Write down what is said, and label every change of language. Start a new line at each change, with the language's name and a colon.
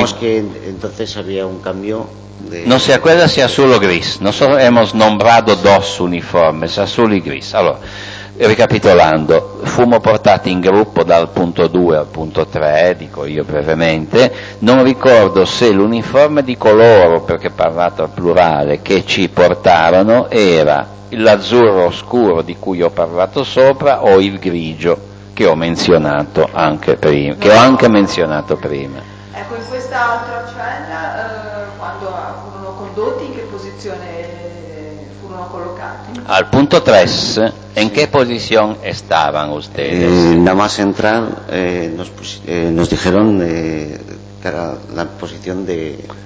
Spanish: entonces había un cambio de... Non si acuerda se azul o gris. Nosotros hemos nombrado dos uniformes, azul y gris.
Italian: Allora, ricapitolando, fumo portati in gruppo dal punto 2 al punto 3, dico io brevemente, non ricordo se l'uniforme di coloro, perché parlato al plurale, che ci portarono era l'azzurro scuro di cui ho parlato sopra o il grigio che ho menzionato anche prima, che ho anche menzionato prima. Ecco, in questa altra cella, quando furono condotti, in che posizione furono collocati? Al punto 3.
Spanish: ¿En qué posición estaban ustedes? Nada más entrar nos dijeron que era la posición de...